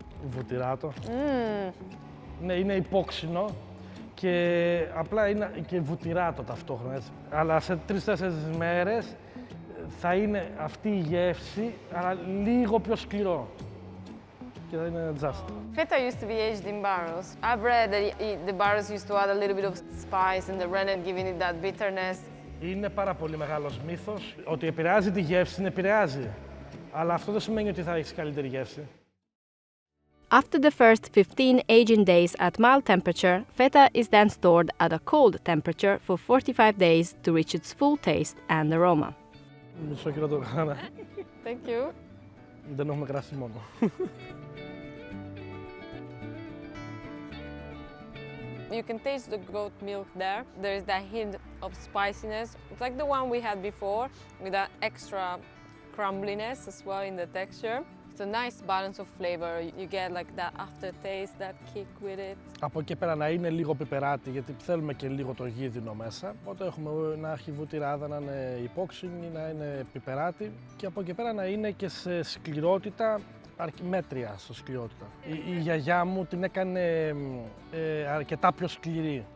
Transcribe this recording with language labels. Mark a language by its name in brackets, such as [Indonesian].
[Greek] Βουτυράτο. Mm. Ναι, είναι υπόξινο και απλά είναι και βουτυράτο ταυτόχρονα, έτσι. Αλλά σε 3-4 μέρες θα είναι αυτή η γεύση, αλλά λίγο πιο σκληρό. [English] Feta used to be aged in barrels. I've read that the barrels used to add a little bit of spice and the rennet giving it that bitterness. [Greek] Είναι πάρα πολύ μεγάλος μύθος ότι επηρεάζει τη γεύση, την επηρεάζει. Αλλά αυτό δεν σημαίνει ότι θα έχεις καλύτερη γεύση. [English] After the first 15 aging days at mild temperature, feta is then stored at a cold temperature for 45 days to reach its full taste and aroma. [Greek] Μισό κιλό το κάνα. [English] Thank you. [Greek] Δεν έχουμε κράση μόνο. [English] You can taste the goat milk there. There is that hint of spiciness. It's like the one we had before, with that extra crumbliness as well in the texture. It's a nice balance of flavor. You get like that aftertaste, that kick with it. [Greek] Από εκεί πέρα να είναι λίγο πιπεράτη, γιατί θέλουμε και λίγο το γίδινο μέσα. Οπότε έχουμε να έχει βουτυράδα, να είναι υπόξινη, να είναι πιπεράτη. Και από εκεί πέρα να είναι και σε σκληρότητα, μέτρια στο σκληρότητα. Η γιαγιά μου την έκανε αρκετά πιο σκληρή.